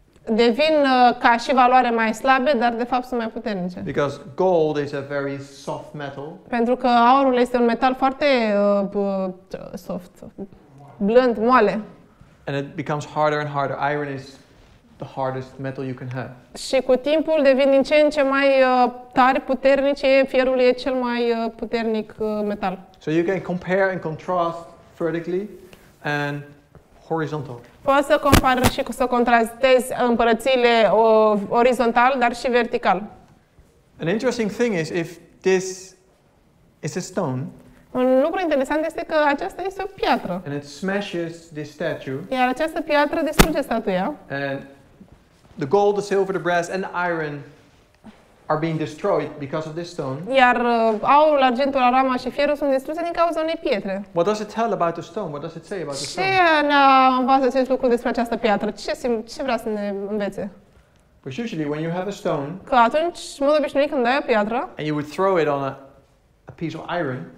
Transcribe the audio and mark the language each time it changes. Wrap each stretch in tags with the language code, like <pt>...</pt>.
<ro>Devin ca și valoare mai slabe, dar de fapt sunt mai puternice.</ro> <en>Because gold is a very soft metal.</en> <ro>Pentru că aurul este un metal foarte soft, blând, moale.</ro> <en>And it becomes harder and harder. Iron is the hardest metal you can have.</en> <ro>Și cu timpul devin din ce în ce mai tare, puternice. Fierul e cel mai puternic metal.</ro> <en>So you can compare and contrast vertically and horizontal.</en> <ro>Poți să compari și să contrastezi împărățiile orizontal, dar și vertical.</ro> <en>An interesting thing is if this is a stone.</en> <ro>Un lucru interesant este că aceasta este o piatră.</ro> <en>And it smashes the statue.</en> <ro>Iar această piatră distruge statuia.</ro> <en>And the gold, the silver, the brass and the iron are being destroyed because of this stone.</en> <ro>Iar aurul, argintul, arama și fierul sunt distruse din cauza unei pietre.</ro> <en>What does it tell about the stone? What does it say about the stone?</en> <ro>Ce ne învață acest lucru despre această piatră? Ce vrea să ne învețe?</ro> <en>Because usually when you have a stone.</en> <ro>Că atunci, în mod obișnuit, când ai o piatră.</ro> <en>And you would throw it on a piece of iron.</en>